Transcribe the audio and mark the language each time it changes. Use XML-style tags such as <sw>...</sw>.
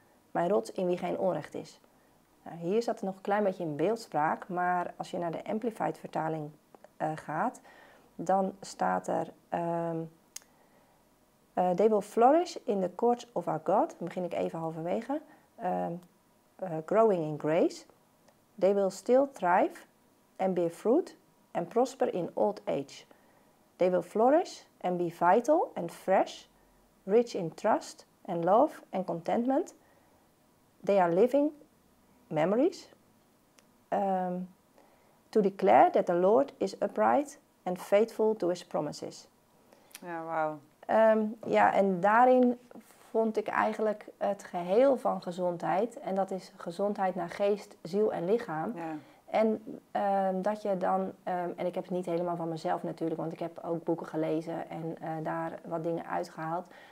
<nl>Mijn rots in wie geen onrecht is. Nou, hier zat er nog een klein beetje in beeldspraak, maar als je naar de Amplified vertaling gaat, dan staat er:</nl> <en>they will flourish in the courts of our God.</en> <nl>Dan begin ik even halverwege.</nl> <en>Growing in grace. They will still thrive and bear fruit and prosper in old age. They will flourish and be vital and fresh, rich in trust and love and contentment. They are living memories. To declare that the Lord is upright and faithful to his promises.</en> <nl>Ja, wauw. En daarin vond ik eigenlijk het geheel van gezondheid. En dat is gezondheid naar geest, ziel en lichaam. Ja. En dat je dan, en ik heb het niet helemaal van mezelf natuurlijk, want ik heb ook boeken gelezen en daar wat dingen uitgehaald.</nl>